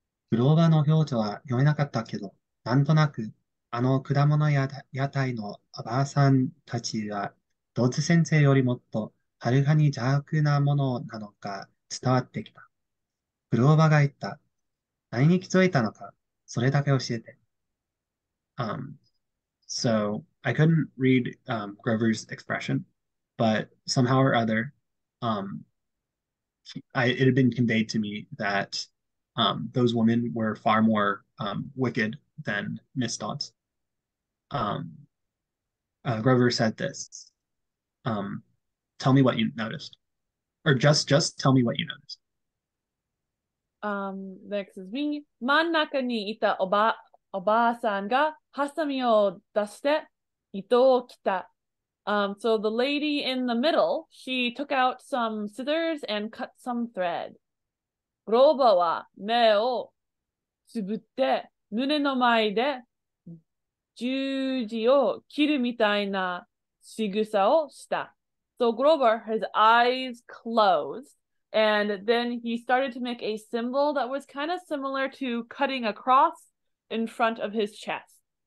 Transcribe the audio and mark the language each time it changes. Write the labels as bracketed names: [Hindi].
[Japanese] グローバーの表情は読めなかったけど、なんとなくあの果物屋台のおばあさんたちはドツ先生よりもっとはるかに邪悪なものなのか伝わってきた。グローバーが言った。何に気づいたのか、それだけ教えて。 [English] So, I couldn't read Grover's expression, but somehow or other, it had been conveyed to me that those women were far more wicked than Miss Dodds. Grover said this. Tell me what you noticed. Or just tell me what you noticed. Next is me. [Japanese] 真ん中にいたおばあさんがハサミを出して糸を切った。 [English] So the lady in the middle, she took out some scissors and cut some thread. [Japanese] グローバーは目をつぶって胸の前で十字を切るみたいな仕草をした。 [English] So Grover, his eyes closed, and then he started to make a symbol that was kind of similar to cutting a cross in front of his chest.